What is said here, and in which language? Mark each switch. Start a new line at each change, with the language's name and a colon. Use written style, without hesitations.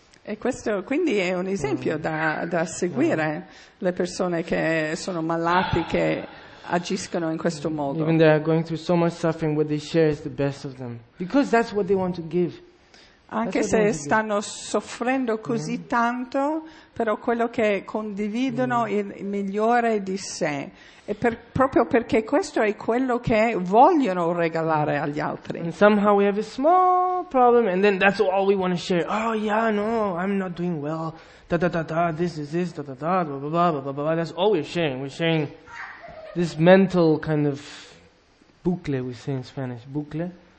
Italian: E questo quindi è un esempio da seguire, le persone che sono malati, che agiscono in questo modo.
English: Even they are going through so much suffering, what they share is the best of them. Because that's what they want to give.
Italian: Anche se stanno soffrendo così tanto, però quello che condividono è il migliore di sé. E proprio perché questo è quello che vogliono regalare agli altri.
English: And somehow we have a small problem and then that's all we want to share. Oh yeah, no, I'm not doing well. Da da da da, this is this, da da da, blah blah blah, blah blah blah. That's all we're sharing. We're sharing this mental kind of bucle, we say in Spanish, bucle.